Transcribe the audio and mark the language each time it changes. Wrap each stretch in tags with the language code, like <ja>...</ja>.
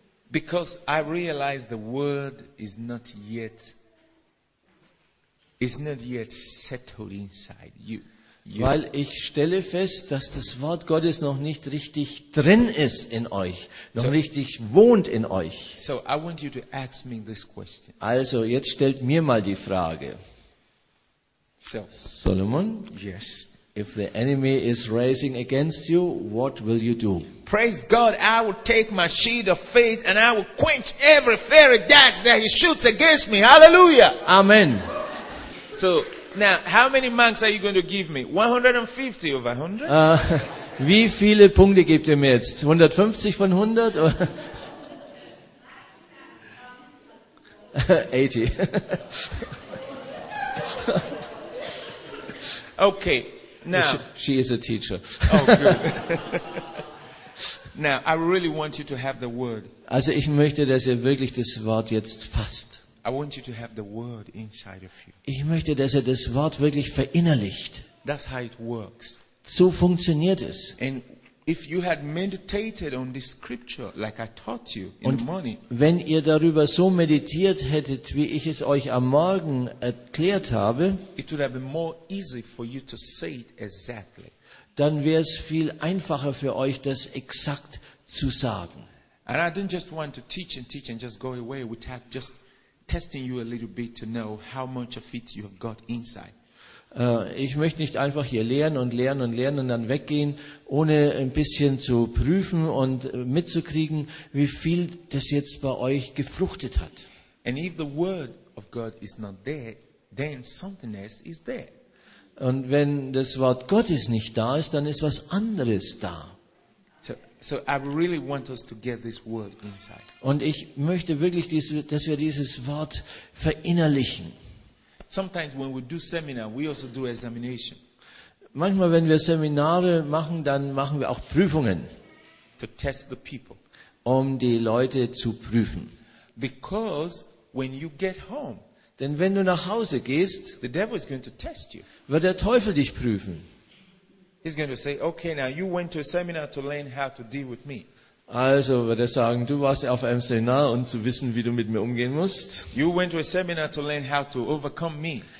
<en>Because I realize the word is not yet settled inside you.</en> <de>Weil ich stelle fest, dass das Wort Gottes noch nicht richtig drin ist in euch, noch so, richtig wohnt in euch.</de> <en>So I want you to ask me this question.</en> <de>Also, jetzt stellt mir mal die Frage.</de> <en>So, Solomon, yes. If the enemy is rising against you, what will you do? Praise God, I will take my shield of faith and I will quench every fiery dart that he shoots against me. Hallelujah. Amen. So, now, how many marks are you going to give me? 150 over 100?</en> <de>Wie viele Punkte gebt ihr mir jetzt? 150 von 100?</de> <en>80. Okay, now. She is a teacher. Oh, good. Now, I really want you to have the word.</en> <de>Also, ich möchte, dass ihr wirklich das Wort jetzt fasst.</de> <en>I want you to have the word inside of you.</en> <de>Ich möchte, dass er das Wort wirklich verinnerlicht.</de> <en>That's how it works.</en> <de>So funktioniert es.</de> <en>And if you had meditated on this scripture like I taught you in the morning.</en> <de>Und wenn ihr darüber so meditiert hättet, wie ich es euch am Morgen erklärt habe,</de> <en>it would have been more easy for you to say it exactly.</en> <de>Dann wäre es viel einfacher für euch, das exakt zu sagen.</de> <en>And I didn't just want to teach and just go away without just testing you a little bit to know how much of it you have got inside.</en> <de>Ich möchte nicht einfach hier lernen und lernen und lernen und dann weggehen, ohne ein bisschen zu prüfen und mitzukriegen, wie viel das jetzt bei euch gefruchtet hat.</de> <en>And if the word of God is not there, then something else is there.</en> <de>Und wenn das Wort Gottes nicht da ist, dann ist was anderes da.</de> <en>So I really want us to get this word inside.</en> <de>Und ich möchte wirklich, dass wir dieses Wort verinnerlichen.</de> <en>Sometimes when we do seminar, we also do examination.</en> <de>Manchmal, wenn wir Seminare machen, dann machen wir auch Prüfungen.</de> <en>To test the people.</en> <de>Um die Leute zu prüfen.</de> <en>Because when you get home,</en> <de>denn wenn du nach Hause gehst,</de> <en>the devil is going to test you.</en> <de>Wird der Teufel dich prüfen.</de> <en>He's going to say, okay, now you went to a seminar to learn how to deal with me.</en> <de>Also wird er sagen, du warst auf einem Seminar, um zu wissen, wie du mit mir umgehen musst.</de> <en>You went to a seminar to learn how to overcome me.</en>